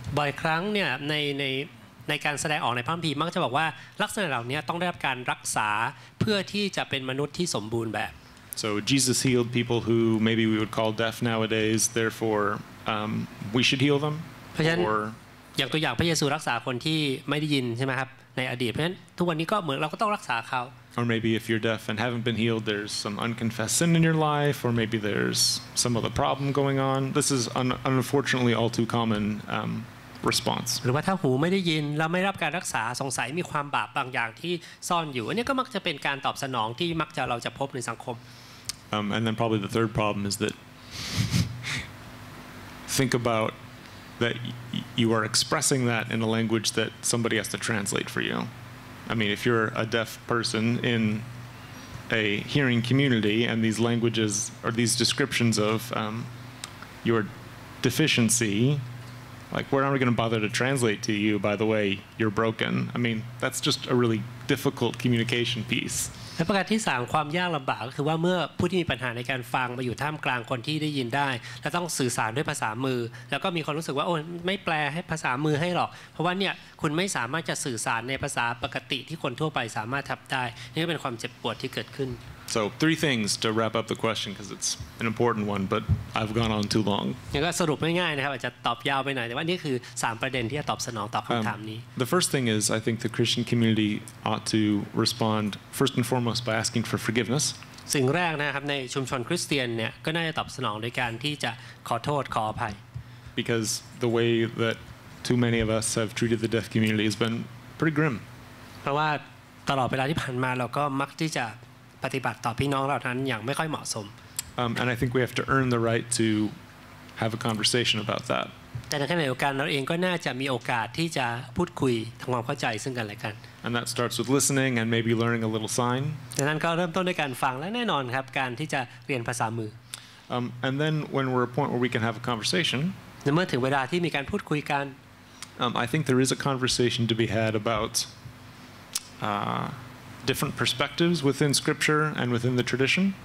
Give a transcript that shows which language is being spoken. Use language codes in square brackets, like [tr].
[th] บ่อยครั้งเนี่ยในการแสดงออกในพระคัมภีร์มักจะบอกว่าลักษณะเหล่านี้ต้องได้รับการรักษาเพื่อที่จะเป็นมนุษย์ที่สมบูรณ์แบบ [en] so Jesus healed people who maybe we would call deaf nowadays therefore we should heal them [th] oryอย่างตัวอย่างพระเยซูรักษาคนที่ไม่ได้ยินใช่ไหมครับในอดีตเพราะฉะนั้นทุกวันนี้ก็เหมือนเราก็ต้องรักษาเขา [en] Or maybe if you're deaf and haven't been healed, there's some unconfessed sin in your life, or maybe there's some other problem going on. This is an unfortunately all too common response. [th] หรือว่าถ้าหูไม่ได้ยินเราไม่รับการรักษาสงสัยมีความบาปบางอย่างที่ซ่อนอยู่อันนี้ก็มักจะเป็นการตอบสนองที่มักจะเราจะพบในสังคม [en] And then probably the third problem is that think aboutthat you are expressing that in a language that somebody has to translate for you. I mean, if you're a deaf person in a hearing community and these languages or these descriptions of your deficiency, like we're not going to bother to translate to you, by the way, you're broken. I mean, that's just a really difficult communication piece. [th] และประการที่3ความยากลำบากก็คือว่าเมื่อผู้ที่มีปัญหาในการฟังมาอยู่ท่ามกลางคนที่ได้ยินได้และต้องสื่อสารด้วยภาษามือแล้วก็มีความรู้สึกว่าโอ้ไม่แปลให้ภาษามือให้หรอกเพราะว่าเนี่ยคุณไม่สามารถจะสื่อสารในภาษาปกติที่คนทั่วไปสามารถทำได้นี่ก็เป็นความเจ็บปวดที่เกิดขึ้น [en] So three things to wrap up the question because it's an important one but I've gone on too long [th] ยังก็สรุปง่ายๆนะครับอาจจะตอบยาวไปหน่อยแต่ว่านี่คือ3ประเด็นที่จะตอบสนองต่อคำถามนี้ [en] The first thing is I think the Christian community ought to respond first and foremost by asking for forgiveness [th] สิ่งแรกนะครับในชุมชนคริสเตียนเนี่ยก็น่าจะตอบสนองด้วยการที่จะขอโทษขออภัย [en] Because the way that too many of us have treated the deaf community has been pretty grim [th] เพราะว่าตลอดเวลาที่ผ่านมาเราก็มักที่จะปฏิบัติต่อพี่น้องเราท่านอย่างไม่ค่อยเหมาะสม [en] and I think we have to earn the right to have a conversation about that [th] แต่ในขณะเดียวกันเราเองก็น่าจะมีโอกาสที่จะพูดคุยทำความเข้าใจซึ่งกันและกัน [en] and that starts with listening and maybe learning a little sign [th] ดังนั้นก็เริ่มต้นด้วยการฟังและแน่นอนครับการที่จะเรียนภาษามือ [en] and then when we're at a point where we can have a conversation [th] เมื่อถึงเวลาที่มีการพูดคุยกัน [en] I think there is a conversation to be had about different perspectives within scripture and within the tradition